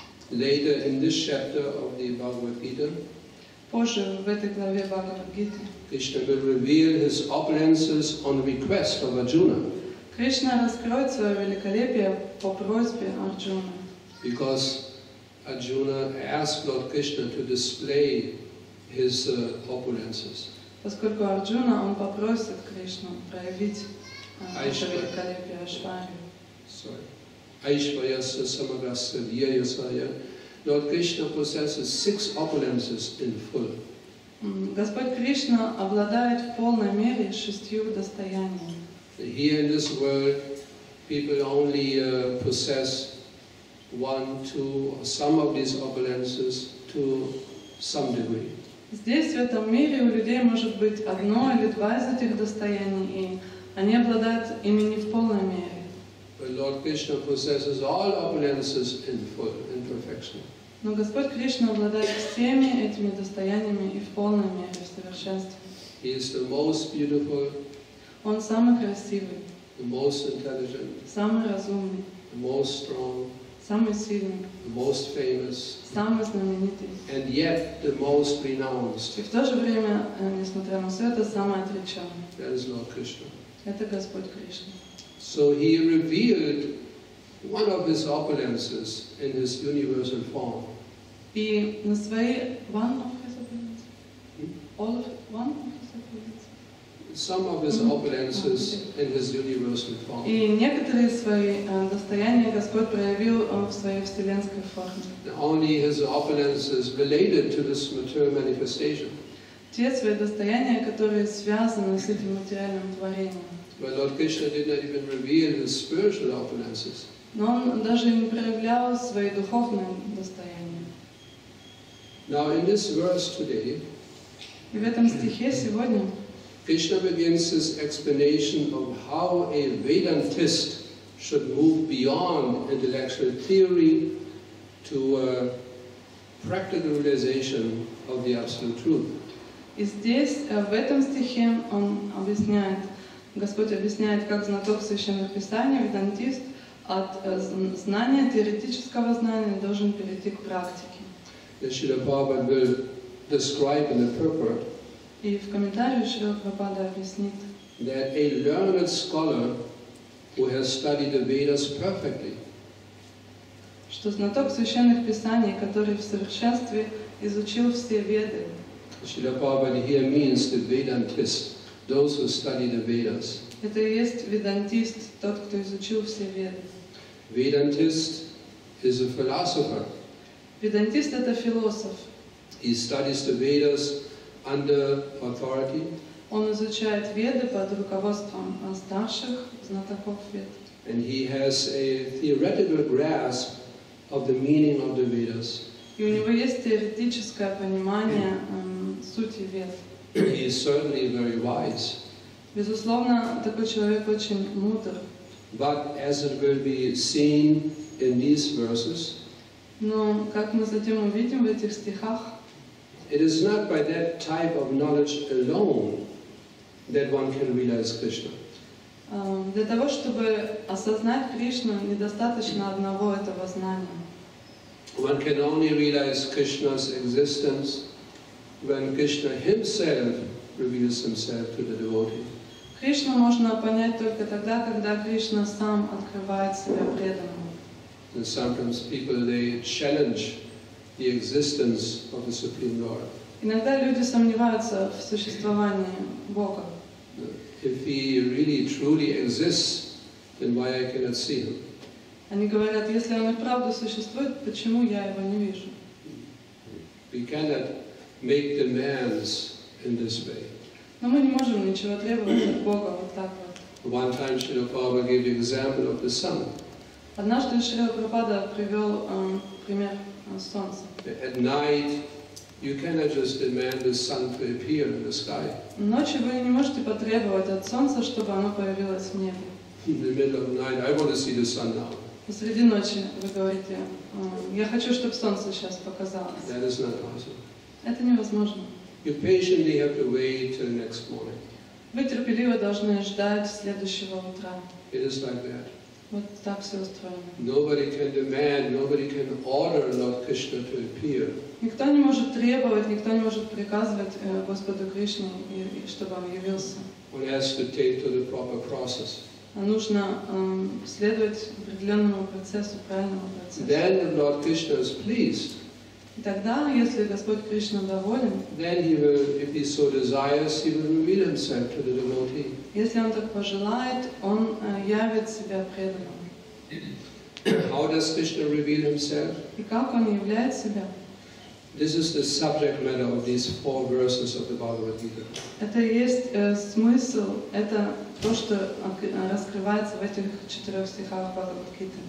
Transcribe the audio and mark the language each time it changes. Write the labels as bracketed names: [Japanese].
[English] Later in this chapter of the Bhagavad Gita. [Russian] Позже в этой главе Бхагавад Гиты. [English] Krishna will reveal his opulences on request of Arjuna. [Russian] Кришна раскроет свое великолепие по просьбе Арджуны. [English] Because Arjuna asked Lord Krishna to display his opulences. [Russian] Поскольку Арджуна он попросит Кришну проявить это великолепие Айшвари. [English] Sorry. [Sanskrit] Айшвари самагасы вьяясая [English] Lord Krishna possesses six opulences in full. [Russian] Господь Кришна обладает в полной мере шестью достояниями. [English] Here in this world, people only possess one, two, or some of these opulences to some degree. [Russian] Здесь, в этом мире, у людей может быть одно или два из этих достояний, и они обладают ими не в полной мере. [English] But Lord Krishna possesses all opulences in full, in perfection. [Russian] Но Господь Кришна обладает всеми этими достояниями и в полной мере, в совершенстве. [English] He is the most beautiful, [Russian] Он самый красивый, [English] the most intelligent, [Russian] самый разумный, [English] the most strong, [Russian] самый сильный, [English] the most famous, [Russian] самый знаменитый, [English] and yet the most renounced. [Russian] И в то же время, несмотря на все это, самый отреченный. [English] That is Lord Krishna. [Russian] Это Господь Кришна. [English] So he revealed one of his opulences in his universal form. [Russian] И на своей [English] one of his opulences. All of one of his opulences. Some of his opulences in his universal form. [Russian] И некоторые свои достояния Господь проявил в своей вселенской форме. [English] Only his opulences related to this material manifestation. [Russian] Те свои достояния, которые связаны с этим материальным творением. [English] But Lord Krishna did not even reveal his spiritual opulences. [Russian] Но он даже не проявлял свои духовные достояния. [English] Now in this verse today, [Russian] и в этом стихе сегодня, [English] Krishna begins his explanation of how a Vedantist should move beyond intellectual theory to a practical realization of the absolute truth. [Russian] И здесь, в этом стихе, он объясняет, Господь объясняет, как знаток Священных Писаний, Ведантист, от знания, теоретического знания, должен перейти к практике. [English] Srila Prabhupada will describe in the purport, [Russian] и в комментарии Шрила Прабхупада объяснит, [English] that a learned scholar who has studied the Vedas perfectly, [Russian] что знаток Священных Писаний, который в совершенстве изучил все Веды, [English] Srila Prabhupada here means the Vedantist, those who study the Vedas. [Russian] Это и есть ведантист, тот, кто изучил все Веды. [English] Vedantist is a philosopher. [Russian] Ведантист — это философ. [English] He studies the Vedas under authority. [Russian] Он изучает Веды под руководством старших знатоков Вед. [English] And he has a theoretical grasp of the meaning of the Vedas. [Russian] И у него есть теоретическое понимание сути Вед. [English] He is certainly very wise. [Russian] Безусловно, такой человек очень мудр. [English] But as it will be seen in these verses, [Russian] но как мы затем увидим в этих стихах, [English] it is not by that type of knowledge alone that one can realize Krishna. [Russian] Для того, чтобы осознать Кришну, недостаточно одного этого знания. [English] One can only realize Krishna's existence when Krishna himself reveals himself to the devotee. [Russian] Кришну можно понять только тогда, когда Кришна сам открывает себя преданному. [English] And sometimes people, they challenge the existence of the Supreme Lord. [Russian] Иногда люди сомневаются в существовании Бога. [English] If he really truly exists, then why I cannot see him? [Russian] Они говорят, если он и правда существует, почему я его не вижу? [English] We cannot make demands in this way. [Russian] Но мы не можем ничего требовать от Бога вот так вот. [English] One time Srila Prabhupada gave the example of the sun. [Russian] Однажды Шрила Прабхупада привел пример солнца. [English] At night you cannot just demand the sun to appear in the sky. [Russian] Ночью вы не можете потребовать от солнца, чтобы оно появилось в небе. [English] In the middle of the night, I want to see the sun now. [Russian] Посреди ночи вы говорите, я хочу, чтобы солнце сейчас показалось. [English] That is not possible. [Russian] Это невозможно. [English] You patiently have to wait till the next morning. [Russian] Вы терпеливо должны ждать следующего утра. [English] It is like that. [Russian] Вот так все устроено. [English] Nobody can demand, nobody can order Lord Krishna to appear. [Russian] Никто не может требовать, никто не может приказывать Господу Кришне, чтобы он явился. [English] One has to take to the proper process. [Russian] Нужно следовать определенному процессу, правильному процессу. [English] Then Lord Krishna is pleased. [Russian] И тогда, если Господь Кришна доволен, [English] then he will, if he so desires, he will reveal himself to the devotee. [Russian] Если он так пожелает, он явит себя преданным. [English] How does Krishna reveal himself? [Russian] И как он являет себя? [English] This is the subject matter of these four verses of the Bhagavad Gita. [Russian] Это есть смысл, это то, что раскрывается в этих четырех стихах Бхагавад Гиты.